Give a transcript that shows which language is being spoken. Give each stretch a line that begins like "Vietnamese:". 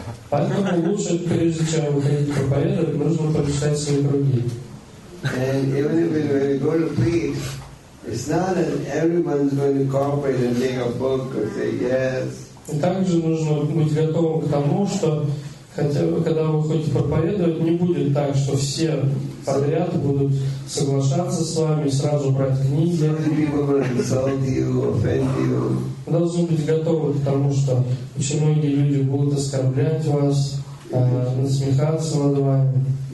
Russian: Поэтому лучше, прежде чем выходить проповедовать, нужно прочитать свои круги.
English: And even if you go to preach, it's not that everyone's going to cooperate and take a book or say yes.
Russian: И также нужно быть готовым к тому, что хотя бы когда вы хоть проповедовать, не будет так, что все подряд будут соглашаться с вами, сразу брать книги. Вы должны быть готовы к тому, что очень многие люди будут оскорблять вас, насмехаться над вами.